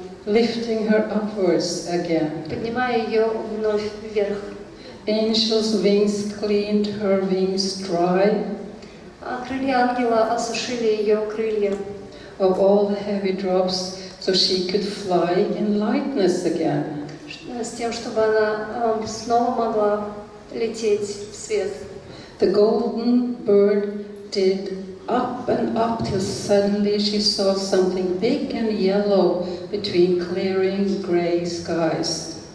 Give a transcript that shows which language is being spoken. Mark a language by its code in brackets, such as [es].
[en] Lifting her upwards again. [ru] Поднимая ее вновь вверх. [en] Angels' wings cleaned her wings dry. [ru] А крылья ангела осушили ее крылья. [en] Of all the heavy drops, so she could fly in lightness again. [ru] С тем, чтобы она снова могла лететь в свет. [en] The golden bird did up and up till suddenly she saw something big and yellow between clearing gray skies.